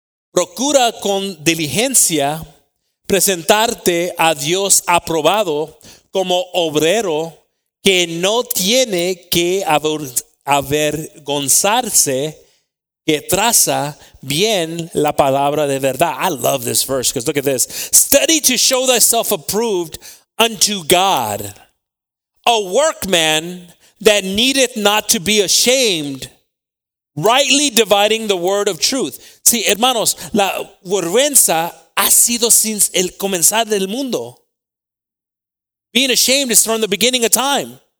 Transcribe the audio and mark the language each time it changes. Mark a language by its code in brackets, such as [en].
[es] Procura con diligencia presentarte a Dios aprobado como obrero que no tiene que avergonzarse, que traza bien la palabra de verdad. [en] I love this verse because look at this. Study to show thyself approved unto God, a workman that needeth not to be ashamed, rightly dividing the word of truth. [es] Sí, hermanos, la vergüenza ha sido since el comenzar del mundo. [en] Being ashamed is from the beginning of time.